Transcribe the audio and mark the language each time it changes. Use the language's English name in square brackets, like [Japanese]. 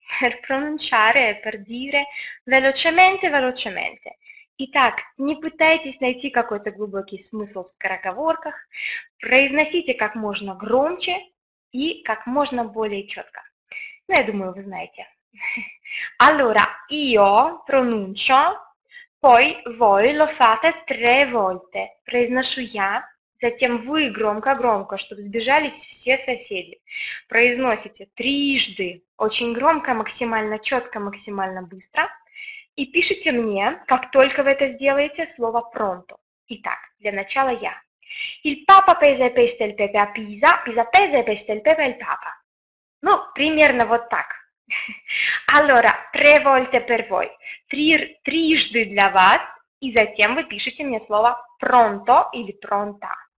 [Italian] Per pronunciare, per dire velocemente, velocemente. [Russian] Итак, не пытайтесь найти какой-то глубокий смысл в скороговорках. Произносите как можно громче и как можно более четко. Ну, я думаю, вы знаете. [Italian] Allora, io pronuncio, poi voi lo fate 3 volte. [Russian] Произношу я, затем вы громко-громко, чтобы сбежались все соседи. Произносите 3жды. Очень громко, максимально четко, максимально быстро. И пишите мне, как только вы это сделаете, слово pronto. Итак, для начала я. [Italian] Il Papa pesa e pesta il pepe a Pisa. Pisa pesa e pesta il pepe al Papa. [Russian] Ну, примерно вот так. [Italian] Allora, tre volte per voi. [Russian] Трижды для вас, и затем вы пишете мне слово pronto или pronta.